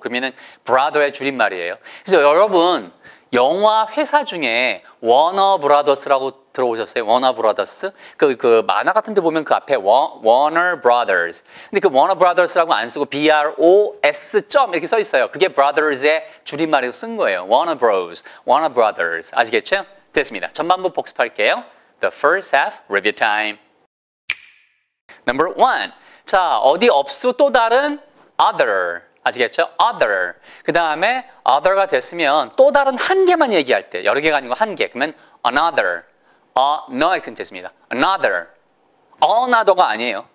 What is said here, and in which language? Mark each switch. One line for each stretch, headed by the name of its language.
Korean: 그러면은 brother의 줄임말이에요. 그래서 여러분 영화 회사 중에 Warner Brothers라고 들어오셨어요? Warner Brothers? 그 만화 같은 데 보면 그 앞에 Warner Brothers. 근데 그 Warner Brothers라고 안 쓰고 BROS. 이렇게 써 있어요. 그게 Brothers의 줄임말이고 쓴 거예요. Warner Bros. Warner Brothers. 아시겠죠? 됐습니다. 전반부 복습할게요.
English: The first half review time. Number one.
Korean: 자, 어디 없수 또 다른 other. 아시겠죠? Other. 그 다음에 other가 됐으면 또 다른 한 개만 얘기할 때 여러 개가 아니고 한 개. 그러면
English: another. Another
Korean: 됐습니다.
English: Another.
Korean: Another가 아니에요.